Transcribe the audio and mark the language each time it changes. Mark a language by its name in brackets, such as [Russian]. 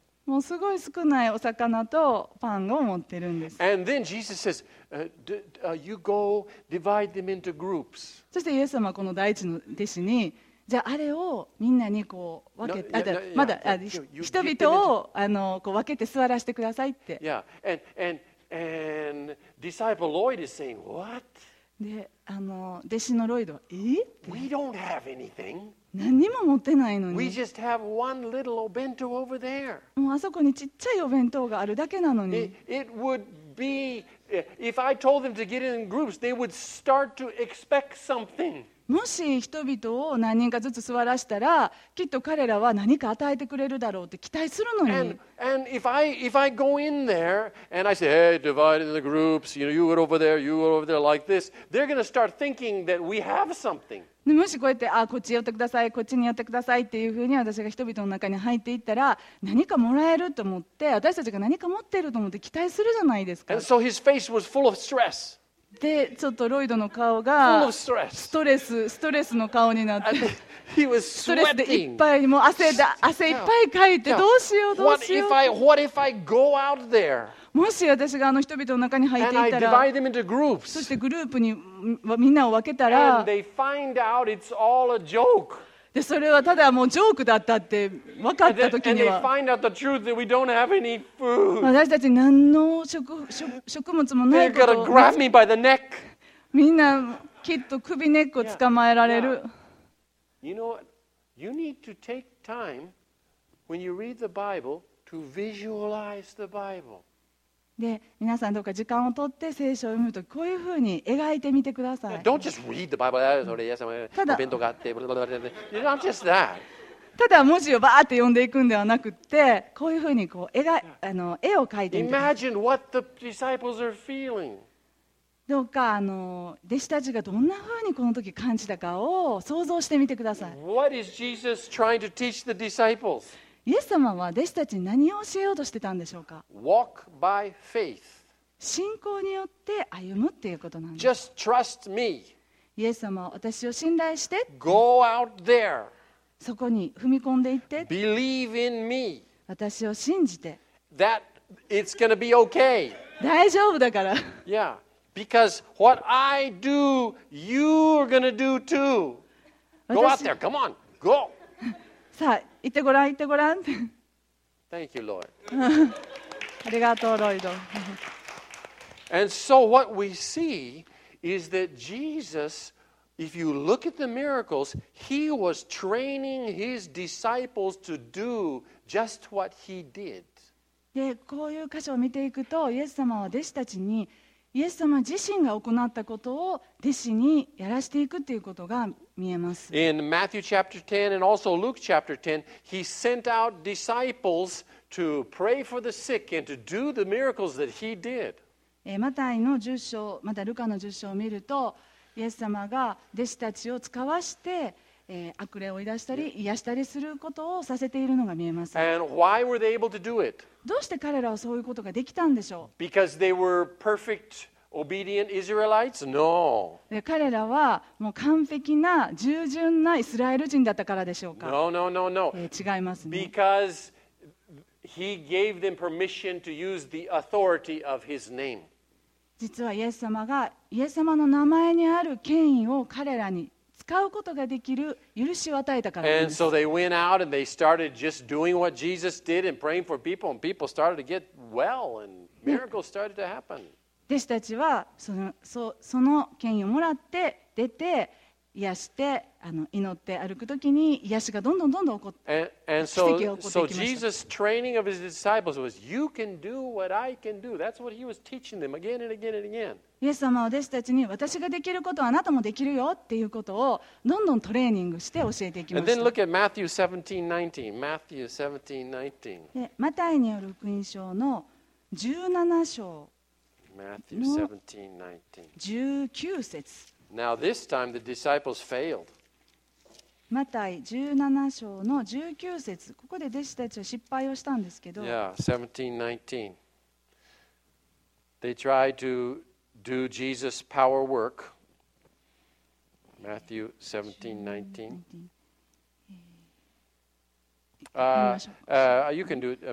[Japanese] もうすごい少ないお魚とパンを持ってるんです。 [English] And then Jesus says. You go divide them into groups. [Japanese] そしてイエス様はこの第一の弟子にじゃああれをみんなにこう分けて、まだ人々をあのこう分けて座らせてくださいって。 [English] Yeah. And disciple Lloyd is saying, what? [Japanese] で、あの弟子のロイドは、え？ [English] We don't have anything. [Japanese] 何にも持ってないのに。 [English] We just have one little bento over there. [Japanese] もうあそこにちっちゃいお弁当があるだけなのに。 [English] It would be if I told them to get in groups, they would start to expect something. [Japanese] もし人々を何人かずつ座らせたらきっと彼らは何か与えてくれるだろうって期待するのに [English] and if I go in there and I say, hey, divide into the groups, you know, you go over there, you go over there like this, they're going to start thinking that we have something. [Japanese] もしこうやってあこっち寄ってくださいこっちに寄ってくださいっていうふうに私が人々の中に入っていったら何かもらえると思って私たちが何か持っていると思って期待するじゃないですか。 [English] And so his face was full of stress [Japanese] でちょっとロイドの顔がストレスの顔になって [English] He was sweating. [Japanese] ストレスでいっぱいもう汗いっぱいかいて どうしようどうしよう [English] What if I go out there? [Japanese] もし私があの人々の中に入っていたら [English] And I divide them into groups. [Japanese] そしてグループにみんなを分けたら [English] And they find out it's all a joke. [Japanese] でそれはただもうジョークだったって分かった時には [English] And they find out the truth that we don't have any food. [Japanese] 私たち何の食物もないこと [English] They're gonna grab me by the neck. [Japanese] みんなきっと首根っこ捕まえられる。 [English] You know what? You need to take time when you read the Bible to visualize the Bible. [Japanese] で皆さんどうか時間を取って聖書を読むときこういうふうに描いてみてください。 [English] Don't just read the Bible. [Japanese] それ、イエス様、ただ、お弁当があって、ブルブルブルブル。 [English] You're not just that. [Japanese] ただ文字をバーって読んでいくんではなくって、こういうふうにこう絵を描いてみて。 [English] Imagine what the disciples are feeling. [Japanese] どうかあの弟子たちがどんなふうにこの時感じたかを想像してみてください。 [English] What is Jesus trying to teach the disciples? [Japanese] イエス様は弟子たちに何を教えようとしてたんでしょうか。 [English] Walk by faith. [Japanese] 信仰によって歩むっていうことなんです。 [English] Just trust me. [Japanese] イエス様は私を信頼して。 [English] Go out there. [Japanese] そこに踏み込んでいって。 [English] Believe in me. [Japanese] 私を信じて。 [English] That it's going to be okay. [Japanese] 大丈夫だから。 [English] Yeah. Because what I do, you are going to do too. Go out there. Come on. Go. [Japanese] さあ行ってごらん行ってごらん。 [English] Thank you, Lord. [Japanese] ありがとう、ロイド。 [English] And so what we see is that Jesus, if you look at the miracles, he was training his disciples to do just what he did. [Japanese] で、こういう箇所を見ていくと、イエス様は弟子たちに、イエス様自身が行ったことを弟子にやらしていくということが見えます。 [English] In Matthew chapter 10 and also Luke chapter 10, he sent out disciples to pray for the sick and to do the miracles that he did. [Japanese] マタイの10章、またルカの10章を見ると、イエス様が弟子たちを使わして、悪霊を追い出したり癒したりすることをさせているのが見えます。 [English] And why were they able to do it? [Japanese] どうして彼らはそういうことができたんでしょう? [English] Because they were perfect, obedient Israelites? No. [Japanese] 彼らはもう完璧な従順なイスラエル人だったからでしょうか? [English] No, no, no, no. [Japanese] 違いますね。 [English] Because he gave them permission to use the authority of his name. [Japanese] 実はイエス様がイエス様の名前にある権威を彼らに使うことができる許しを与えたからです。 [English] And so they went out and they started just doing what Jesus did and praying for people and people started to get well and miracles started to happen. [Japanese] 弟子たちはその権威をもらって出て癒して祈って歩くときに癒しがどんどんどんどん起こって奇跡が起こってきました。 [English] So Jesus training of his disciples was you can do what I can do. That's what he was teaching them again and again and again. [Japanese] イエス様は弟子たちに私ができることはあなたもできるよっていうことをどんどんトレーニングして教えていきました。 [English] And then look at Matthew 17:19. Matthew 17:19. [Japanese] マタイによる福音書の17章の 19 節。 [English] Now this time the disciples failed. [Japanese] マタイ17章の19節。ここで弟子たちは失敗をしたんですけど。 [English] Yeah, 17:19. They tried to... Do Jesus' power work. Matthew 17:19. You can do it.